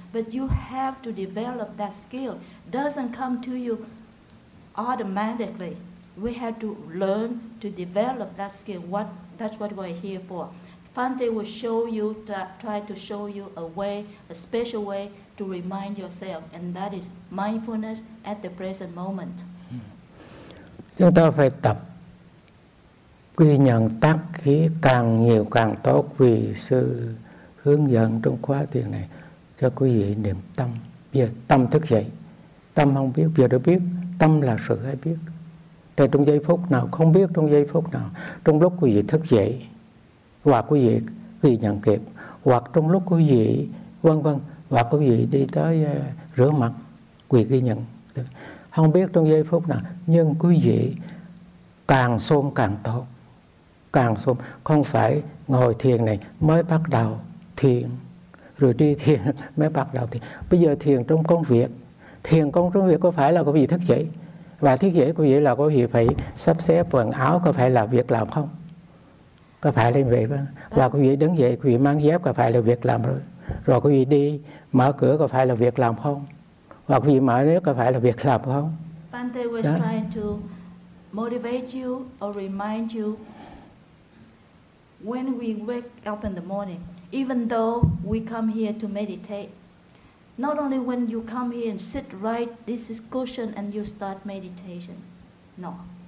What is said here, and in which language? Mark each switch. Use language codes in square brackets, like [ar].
[en] But you have to develop that skill. Doesn't come to you automatically. We have to learn to develop that skill. That's what we're here for. Bhante will show you, try to show you a way, a special way to remind yourself, and that is mindfulness at the present moment. [vi] Chúng ta phải tập ghi nhận tác khí càng nhiều càng tốt, vì sư hướng dẫn trong khóa thiền này cho quý vị niệm tâm. Bây giờ tâm thức dậy, tâm không biết, bây giờ đã biết, tâm là sự hay biết. Thế trong giây phút nào, không biết trong giây phút nào, trong lúc quý vị thức dậy, hoặc quý vị ghi nhận kịp, hoặc trong lúc quý vị vân vân, hoặc quý vị đi tới rửa mặt, quý vị ghi nhận. Không biết trong giây phút nào, nhưng quý vị càng xôn càng tốt, càng xôn. Không phải ngồi thiền này mới bắt đầu thiền, rồi đi thiền mới bắt đầu thiền. Bây giờ thiền trong công việc, thiền công trong việc có phải là quý vị thức dậy? Và thức dậy quý vị là quý vị phải sắp xếp quần áo, có phải là việc làm không? Có phải là vậy không? Và quý vị đứng dậy, quý vị mang dép, có phải là việc làm rồi? Rồi quý vị đi mở cửa, có phải là việc làm không? Hoặc vì mở nước có phải là việc làm không? Bhante was đó. [en] Trying to motivate you or remind you when we wake up in the morning, even though we come here to meditate, not only when you come here and sit right, this is cushion and you start meditation. No.